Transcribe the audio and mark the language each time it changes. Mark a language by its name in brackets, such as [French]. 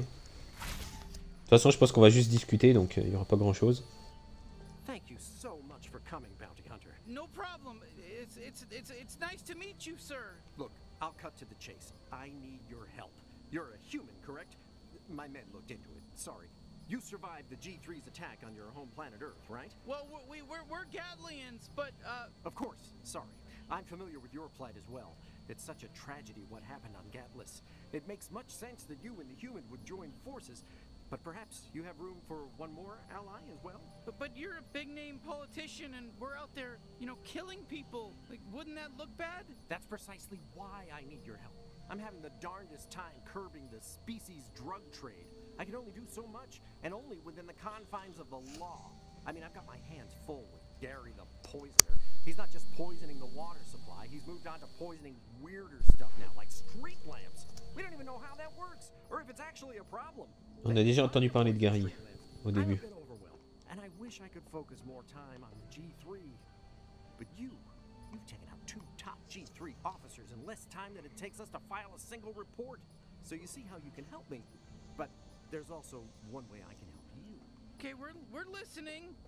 [French] De toute façon, je pense qu'on va juste discuter, donc il y aura pas grand-chose. [English] Thank you so much for coming, Bounty Hunter. No problem. It's nice to meet you, sir. Look, I'll cut to the chase. I need your help. You're a human, correct? My men looked into it. Sorry. You survived the G3's attack on your home planet Earth, right? Well, we're Gatlians, but Of course. Sorry. I'm familiar with your plight as well. It's such a tragedy what happened on Gatlas. It makes much sense that you and the human would join forces. But perhaps you have room for one more ally as well? But you're a big name politician and we're out there, you know, killing people. Like, wouldn't that look bad? That's precisely why I need your help. I'm having the darndest time curbing the species drug trade. I can only do so much and only within the confines of the law. I mean, I've got my hands full with Gary the Poisoner. He's not just poisoning the water supply, he's moved on to poisoning weirder stuff now, like street lamps. We don't even know how that works or if it's actually a problem. [French] On a déjà entendu parler de Gary au début. [English] And I wish I could focus more time on the G3. But you've taken out two top G3 officers in less time than it takes us to file a single report. So you see how you can help me. But there's also one way I can help you. Okay, we're listening.